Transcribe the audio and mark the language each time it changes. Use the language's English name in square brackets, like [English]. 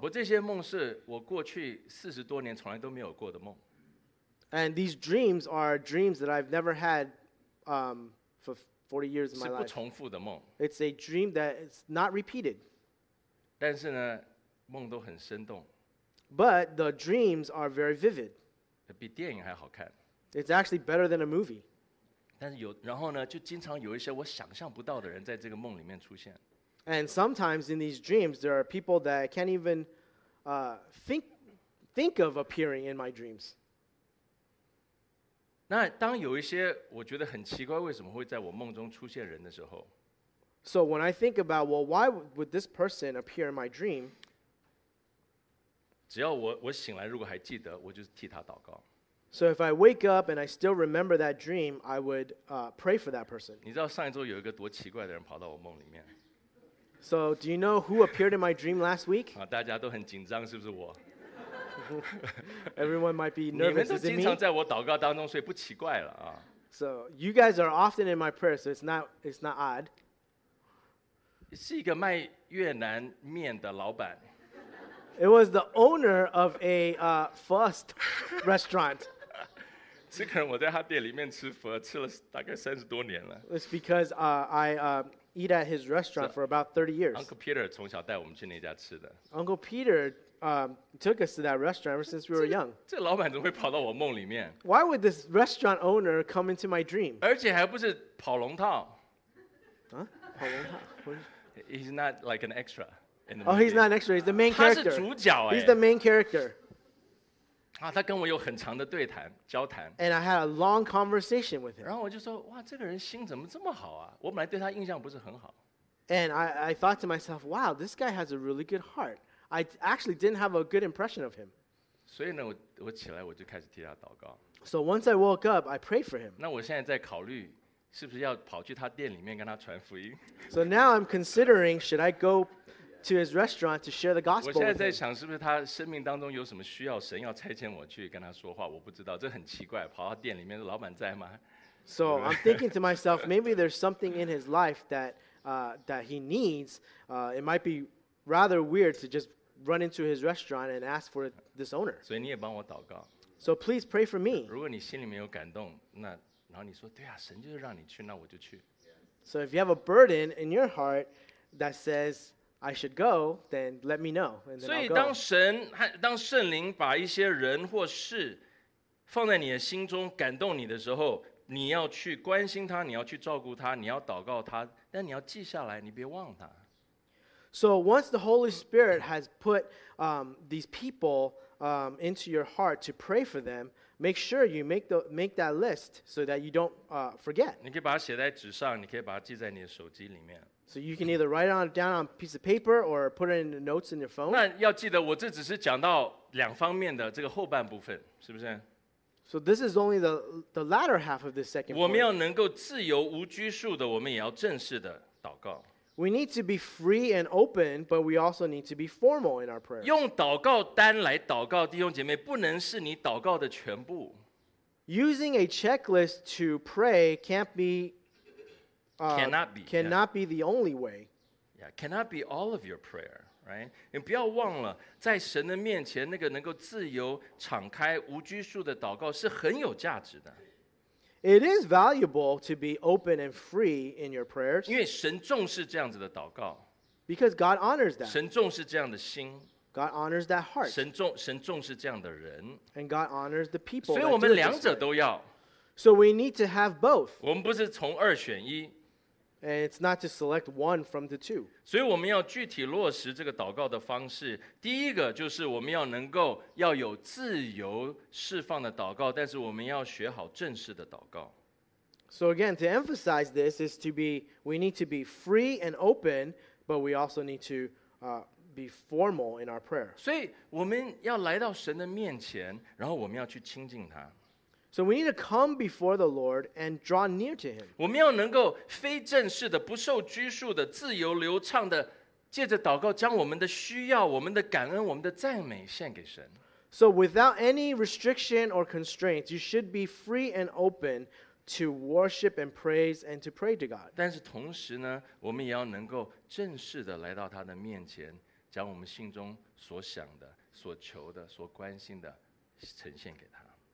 [Chinese] 我这些梦是我过去四十多年从来都没有过的梦。 [English] And these dreams are dreams that I've never had for 40 years of my life. [Chinese] 是不重复的梦。 [English] It's a dream that is not repeated. [Chinese] 但是呢。梦都很生动。 [English] But the dreams are very vivid. [Chinese] 比电影还好看。 [English] It's actually better than a movie. [Chinese] 但是有，然后呢，就经常有一些我想象不到的人在这个梦里面出现。 [English] And sometimes in these dreams, there are people that I can't even think of appearing in my dreams. [Chinese] 那当有一些我觉得很奇怪为什么会在我梦中出现人的时候。 [English] So when I think about, well, why would this person appear in my dream? [Chinese] 只要 我醒来，如果还记得，我就替他祷告。 [English] So if I wake up and I still remember that dream, I would pray for that person. [Chinese] 你知道上一周有一个多奇怪的人跑到我梦里面。 [English] So do you know who appeared in my dream last week? [Chinese] 大家都很紧张，是不是我 [English] ？Everyone might be nervous. [Chinese] 你们都经常在我祷告当中，所以不奇怪了啊。 [English] So you guys are often in my prayer, so it's not odd. [Chinese] 是一个卖越南面的老板。 [English] It was the owner of a first restaurant. [Chinese] 这可能我在他店里面吃佛吃了大概三十多年了。 [English] It's because I eat at his restaurant for about 30 years. [Chinese] Uncle Peter 从小带我们去那家吃的。 [English] Uncle Peter took us to that restaurant ever since we were young. [Chinese] 这老板怎么会跑到我梦里面？ [English] Why would this restaurant owner come into my dream? [Chinese] 而且还不是跑龙套。跑龙套？ [English] He's not like an extra. Oh, he's not an extra. He's the main character. [Chinese] 他是主角哎。 [English] He's the main character. [Chinese] 他跟我有很长的对谈交谈。 [English] And I had a long conversation with him. [Chinese] 然后我就说，哇，这个人心怎么这么好啊？我本来对他印象不是很好。 [English] And I thought to myself, wow, this guy has a really good heart. I actually didn't have a good impression of him. [Chinese] 所以呢，我起来我就开始替他祷告。 [English] So once I woke up, I prayed for him. [Chinese] 那我现在在考虑是不是要跑去他店里面跟他传福音。 [English] So now I'm considering, should I go to his restaurant to share the gospel with him? [Chinese] 我现在在想是不是他生命当中有什么需要，神要差遣我去跟他说话，我不知道，这很奇怪，跑到店里面，老板在吗？ [English] So I'm thinking to myself, maybe there's something in his life that he needs. It might be rather weird to just run into his restaurant and ask for this owner. [Chinese] 所以你也帮我祷告。 [English] So please pray for me. [Chinese] 如果你心里面有感动，那然后你说对啊，神就是让你去，那我就去。 [English] So if you have a burden in your heart that says I should go, then let me know. [Chinese] 所以当神和当圣灵把一些人或事放在你的心中感动你的时候，你要去关心他，你要去照顾他，你要祷告他，但你要记下来，你别忘他。 [English] So once the Holy Spirit has put these people into your heart to pray for them, make sure you make that list so that you don't forget. [Chinese] 你可以把它写在纸上，你可以把它记在你的手机里面。 [English] So you can either write it down on a piece of paper or put it in the notes in your phone. [Chinese] 那要记得，我这只是讲到两方面的这个后半部分，是不是？ [English] So this is only the latter half of this second. [Chinese] 我们要能够自由无拘束的，我们也要正式的祷告。 [English] We need to be free and open, but we also need to be formal in our prayer. [Chinese] 用祷告单来祷告，弟兄姐妹，不能是你祷告的全部。 [English] Using a checklist to pray can't be, cannot be the only way. Yeah, cannot be all of your prayer. Right? [Chinese] 你不要忘了，在神的面前，那个能够自由、敞开、无拘束的祷告是很有价值的。 [English] It is valuable to be open and free in your prayers. [Chinese] 因为神重视这样子的祷告。 [English] Because God honors that. [Chinese] 神重视这样的心。 [English] God honors that heart. [Chinese] 神重视这样的人。 [English] And God honors the people. [Chinese] 所以我们两者都要。 [English] So we need to have both. [Chinese] 我们不是从二选一。 [English] And it's not to select one from the two. [Chinese] 所以我们要具体落实这个祷告的方式。第一个就是我们要能够要有自由释放的祷告，但是我们要学好正式的祷告。 [English] So again, to emphasize this is to be, we need to be free and open, but we also need to be formal in our prayer. [Chinese] 所以我们要来到神的面前，然后我们要去亲近他。 [English] So we need to come before the Lord and draw near to Him. [Chinese] 我们要能够非正式的、不受拘束的、自由流畅的，借着祷告将我们的需要、我们的感恩、我们的赞美献给神。 [English] So without any restriction or constraints, you should be free and open to worship and praise and to pray to God. [Chinese] 但是同时呢，我们也要能够正式的来到他的面前，将我们心中所想的、所求的、所关心的呈现给他。